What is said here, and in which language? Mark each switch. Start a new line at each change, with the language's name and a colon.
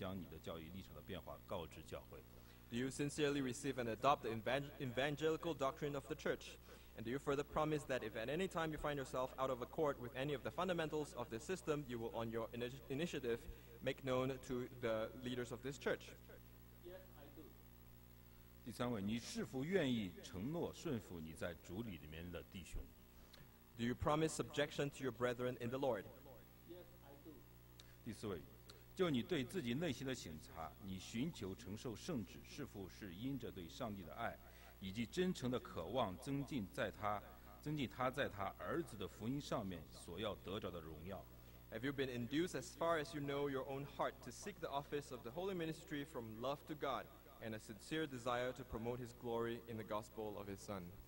Chinese: 第二位，你是否真诚地接受并认同福音派的教义系统，并且你愿意承诺在按理宣誓后，无论何时你发现自己并不认同这样的教义系统的任何纪要立场，你都会主动地将你的教义立场的变化告知教会？
English: Do you sincerely receive and adopt the evangelical doctrine of the church? And do you further promise that if at any time you find yourself out of accord with any of the fundamentals of this system, you will, on your initiative, make known to the leaders of this church? Yes, I do.
Chinese: 第三位,
English: do you promise subjection to your brethren in the Lord? Yes, I do.
Chinese: 第四位, 就你对自己内心的省察，你寻求承受圣旨，是否是因着对上帝的爱，以及真诚的渴望增进在他儿子的福音上面所要得着的荣耀？
English: Have you been induced as far as you know your own heart to seek the office of the holy ministry from love to God and a sincere desire to promote his glory in the gospel of his son?